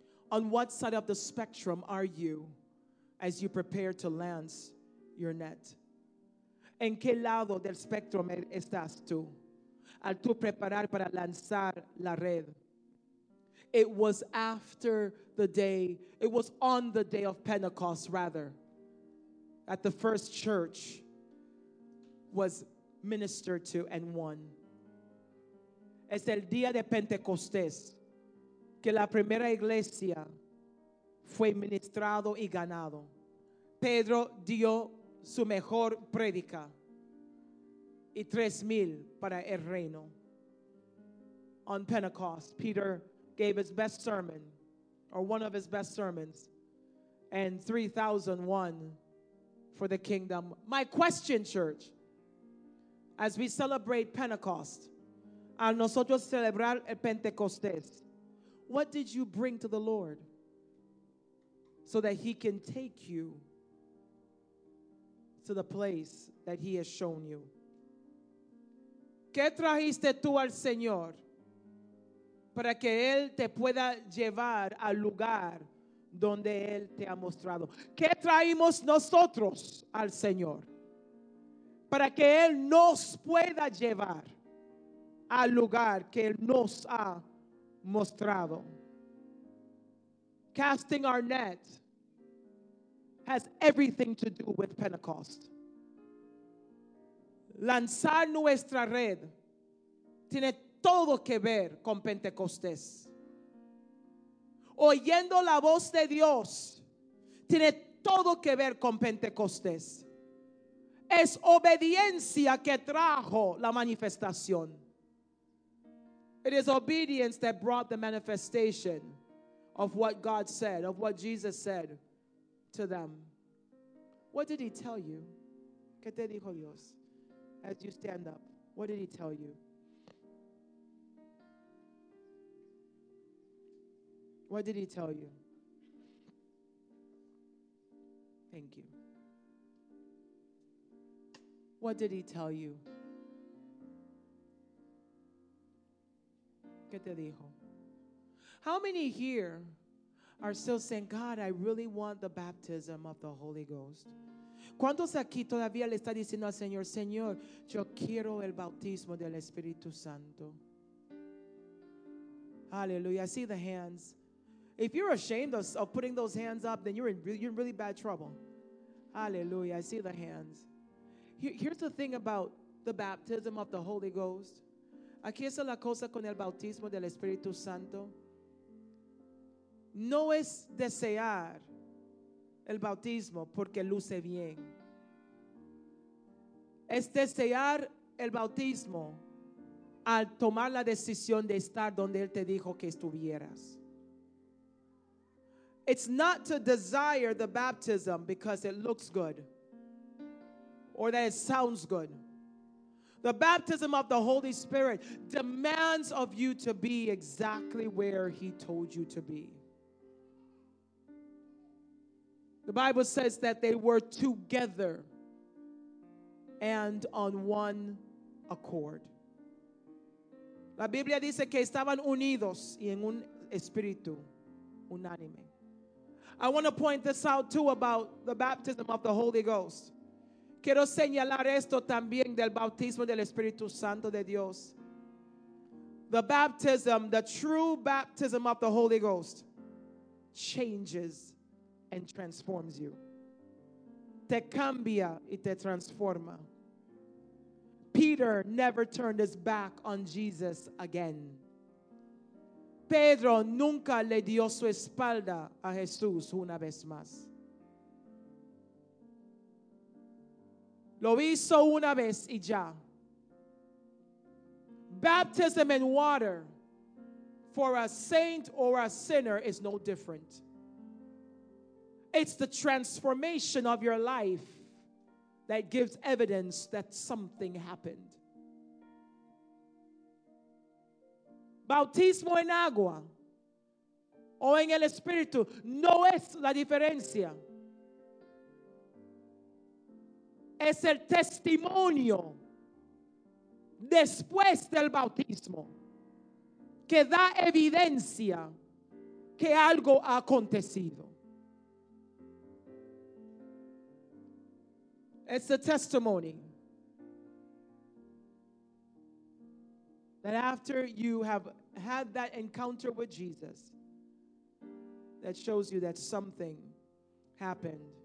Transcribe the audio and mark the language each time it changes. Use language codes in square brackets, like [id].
[en] On what side of the spectrum are you as you prepare to lance your net? [es] ¿En qué lado del espectro estás tú al tú preparar para lanzar la red? [en] It was after the day, it was on the day of Pentecost rather, at the first church was ministered to and won. [es] Es el día de Pentecostés que la primera iglesia fue ministrado y ganado. Pedro dio su mejor predica. y 3,000 para el reino. [en] On Pentecost, Peter gave his best sermon, or one of his best sermons, and 3,000 won for the kingdom. My question, church, as we celebrate Pentecost, [es] al nosotros celebrar el Pentecostés, [en] what did you bring to the Lord so that he can take you to the place that he has shown you? [es] ¿Qué trajiste tú al Señor para que él te pueda llevar al lugar donde él te ha mostrado? ¿Qué traímos nosotros al Señor para que él nos pueda llevar al lugar que él nos ha mostrado? [en] Casting our net has everything to do with Pentecost. [es] Lanzar nuestra red tiene todo que ver con Pentecostés. Oyendo la voz de Dios tiene todo que ver con Pentecostés. Es obediencia que trajo la manifestación. [en] It is obedience that brought the manifestation of what God said, of what Jesus said to them. What did he tell you? [es] ¿Qué te dijo Dios? [en] As you stand up, what did he tell you? What did he tell you? Thank you. What did he tell you? [es] ¿Qué te dijo? [en] How many here are still saying, God, I really want the baptism of the Holy Ghost? [es] ¿Cuántos aquí todavía le está diciendo al Señor, Señor, yo quiero el bautismo del Espíritu Santo? [en] Hallelujah. I see the hands. If you're ashamed of putting those hands up, then you're in really bad trouble. Hallelujah. I see the hands. Here's the thing about the baptism of the Holy Ghost. [es] Aquí es la cosa con el bautismo del Espíritu Santo. No es desear el bautismo porque luce bien. Es desear el bautismo al tomar la decisión de estar donde Él te dijo que estuvieras. [en] It's not to desire the baptism because it looks good or that it sounds good. The baptism of the Holy Spirit demands of you to be exactly where He told you to be. The Bible says that they were together and on one accord. [es] La Biblia dice que estaban unidos y en un espíritu unánime. [en] I want to point this out too about the baptism of the Holy Ghost. [es] Quiero señalar esto también del bautismo del Espíritu Santo de Dios. [en] The baptism, the true baptism of the Holy Ghost changes and transforms you. [es] Te cambia y te transforma. [en] Peter never turned his back on Jesus again. [es] Pedro nunca le dio su espalda a Jesús una vez más. Lo hizo una vez y ya. [en] Baptism in water for a saint or a sinner is no different. It's the transformation of your life that gives evidence that something happened. [es] Bautismo en agua o en el Espíritu no es la diferencia. Es el testimonio después del bautismo que da evidencia que algo ha acontecido. [en] It's a testimony that after you have had that encounter with Jesus that shows you that something happened.